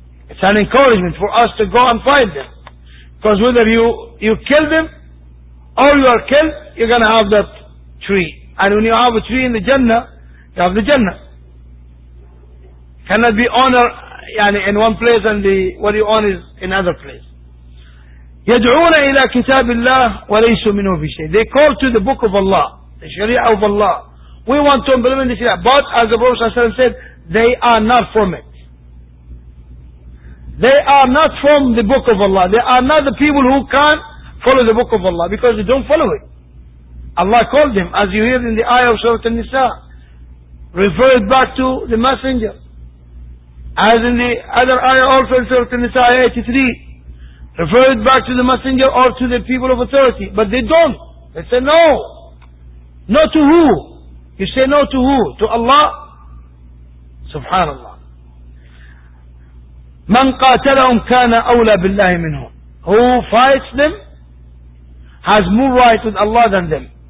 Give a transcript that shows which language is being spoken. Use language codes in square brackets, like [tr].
[en] It's an encouragement for us to go and fight them. Because whether you kill them or you are killed, you're going to have that tree. And when you have a tree in the Jannah, you have the Jannah. Cannot be honor in one place and the what you own is in another place. [ar] يدعون إلى كتاب الله وليس منه في شيء. [en] They call to the book of Allah, the Sharia of Allah. We want to implement the Sharia, but as the Prophet ﷺ said, they are not from it. They are not from the book of Allah. They are not the people who can follow the book of Allah because they don't follow it. Allah called them, as you hear in the ayah of Surah An-Nisa, refer it back to the Messenger. As in the other ayah also in Surah An-Nisa, ayah 83. Refer it back to the Messenger or to the people of authority. But they don't. They say no. Not to who? You say no to who? To Allah? Subhanallah. [ar] من قاتلهم كان أولى بالله منهم. [en] Who fights them has more right with Allah than them.